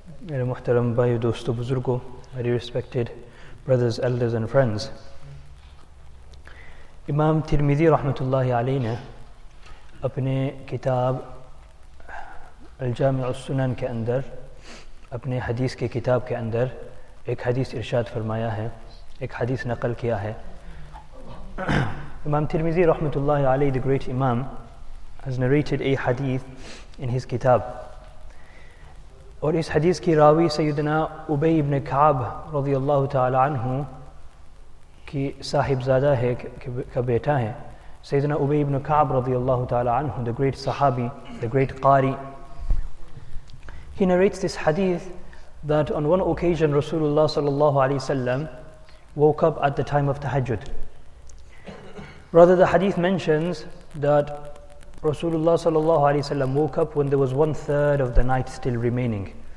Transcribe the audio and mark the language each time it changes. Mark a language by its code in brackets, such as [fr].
[ur] محترم بايو دوستو بزرگو، [en] very respected brothers, elders and friends. [ur] امام ترمذی رحمت الله علینا اپنے کتاب الجامع السنن کے اندر، اپنے حدیث کی کتاب کے اندر ایک حدیث ارشاد فرمایا ہے، ایک حدیث نقل کیا ہے. امام ترمذی رحمت اللہ علیہ، [en] the great imam, has narrated a hadith in his kitab. [ur] اور اس حدیث کی راوی سیدنا ابی ابن کعب رضی اللہ تعالی عنہ کی صاحبزادہ ہے، کا بیٹا ہے. [en] سیدنا Ubayy ibn Ka'b [ur] رضی اللہ تعالی عنہ، [en] the great sahabi, the great qari, he narrates this hadith that on one occasion Rasulullah sallallahu alayhi wasallam woke up at the time of tahajjud. Rather, the hadith mentions that Rasulullah sallallahu alayhi wasallam woke up when there was one third of the night still remaining.